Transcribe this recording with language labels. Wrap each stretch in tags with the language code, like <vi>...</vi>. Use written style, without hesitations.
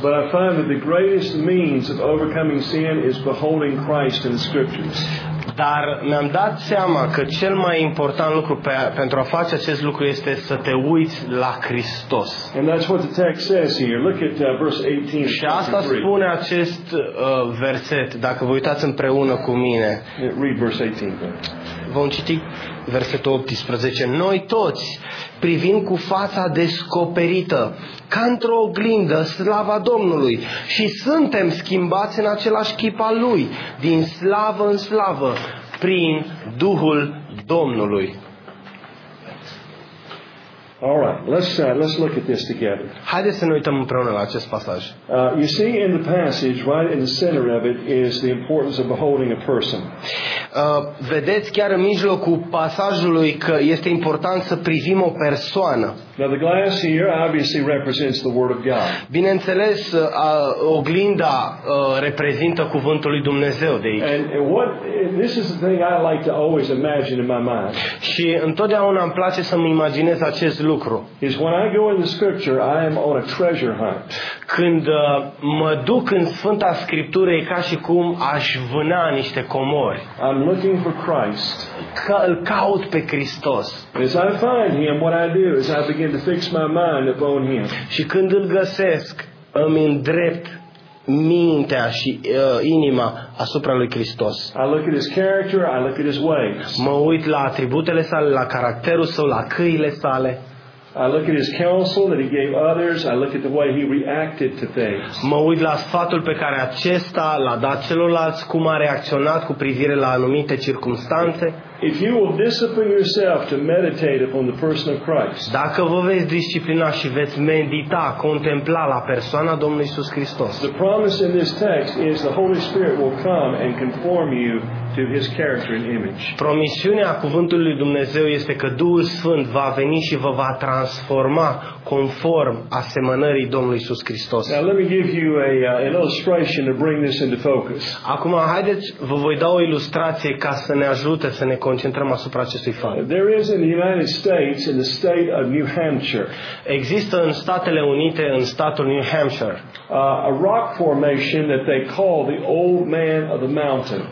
<en>But I find that the greatest means of overcoming sin is beholding Christ in the Scriptures.</en> <ro>Dar mi-am dat seama că cel mai important lucru pentru a face acest lucru este să te uiți la Hristos.</ro> <en>And that's what the text says here. Look at verse 18.</en> <ro>Și asta spune acest verset, dacă vă uitați împreună cu mine.</ro> <en>Read verse 18.</en> <ro>Vom citi versetul 18. Noi toți privim cu fața descoperită, ca într-o oglindă, slava Domnului, și suntem schimbați în același chip al Lui, din slavă în slavă, prin Duhul Domnului.</ro> <en>All right, let's look at this together.</en> <ro>Haideți să ne uităm împreună la acest pasaj.</ro> <en>You see in the passage, right in the center of it, is the importance of beholding a person.</en> <ro>Vedeți chiar în mijlocul pasajului că este important să privim o persoană.</ro> <en>Now the glass here obviously represents the Word of God.</en> <ro>Bineînțeles, oglinda reprezintă cuvântul lui Dumnezeu de aici.</ro> <en>And this is the thing I like to always imagine in my mind.</en> <ro>Și întotdeauna îmi place să-mi imaginez acest lucru.</ro> <en>Is when I go in the scripture, I am on a treasure hunt.</en> <ro>Când mă duc în Sfânta Scriptură, e ca și cum aș vâna niște comori.</ro> <en>I'm looking for Christ.</en> <ro>Îl caut pe Hristos.</ro> <en>As I find him, what I do is I begin to fix my mind upon him.</en> <ro>Și când îl găsesc, îmi îndrept mintea și inima asupra lui Hristos.</ro> <en>I look at his character, I look at his ways.</en> <ro>Mă uit la atributele sale, la caracterul său, la căile sale.</ro> <en>I look at his counsel that he gave others, I look at the way he reacted to things.</en> <ro>Mă uit la sfatul pe care acesta l-a dat celorlalți, cum a reacționat cu privire la anumite circumstanțe.</ro> <en>If you will discipline yourself to meditate upon the person of Christ.</en> <ro>Dacă vă veți disciplina și veți medita, contempla la persoana Domnului Iisus Hristos.</ro> <en>The promise in this text is the Holy Spirit will come and conform you to his character and image.</en> <ro>Promisiunea cuvântului lui Dumnezeu este că Duhul Sfânt va veni și vă va transforma conform asemănării Domnului Iisus Hristos.</ro> <en>Now let me give you an illustration to bring this into focus.</en> <ro>Acum haideți vă voi da o ilustrație ca să ne ajute să ne concentrăm asupra acestui fapt.</ro> <en>There is in the United States in the state of New Hampshire.</en> <ro>Există în Statele Unite, în statul New Hampshire.</ro> <en>A rock formation that they call the Old Man of the Mountain.</en>